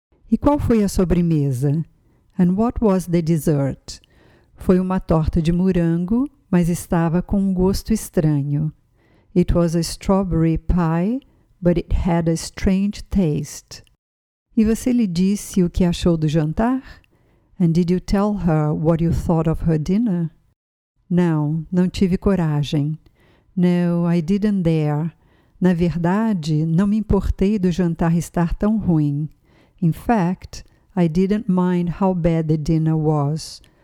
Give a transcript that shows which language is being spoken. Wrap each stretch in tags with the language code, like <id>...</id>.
<pt>E qual foi a sobremesa?</pt> <en>And what was the dessert?</en> <pt>Foi uma torta de morango, mas estava com um gosto estranho.</pt> <en>It was a strawberry pie, but it had a strange taste.</en> <pt>E você lhe disse o que achou do jantar?</pt> <en>And did you tell her what you thought of her dinner?</en> <pt>Não, não tive coragem.</pt> <en>No, I didn't dare.</en> <pt>Na verdade, não me importei do jantar estar tão ruim.</pt> <en>In fact, I didn't mind how bad the dinner was.</en>